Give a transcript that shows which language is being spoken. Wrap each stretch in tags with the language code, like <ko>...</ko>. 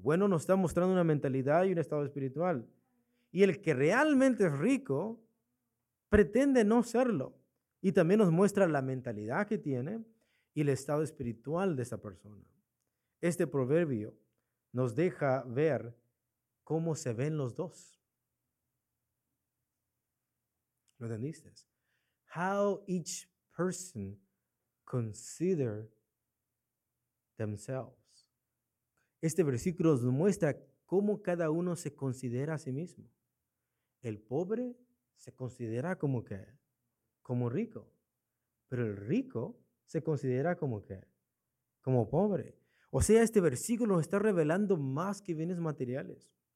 <es>Bueno, nos está mostrando una mentalidad y un estado espiritual. Y el que realmente es rico pretende no serlo. Y también nos muestra la mentalidad que tiene y el estado espiritual de esa persona. Este proverbio nos deja ver cómo se ven los dos. ¿Lo entendiste?</es> <en>How each person consider themselves.</en> <es>Este versículo nos muestra cómo cada uno se considera a sí mismo. El pobre se considera como qué, como rico. Pero el rico se considera como qué, como pobre. O sea, este versículo nos está revelando más que bienes materiales.</es>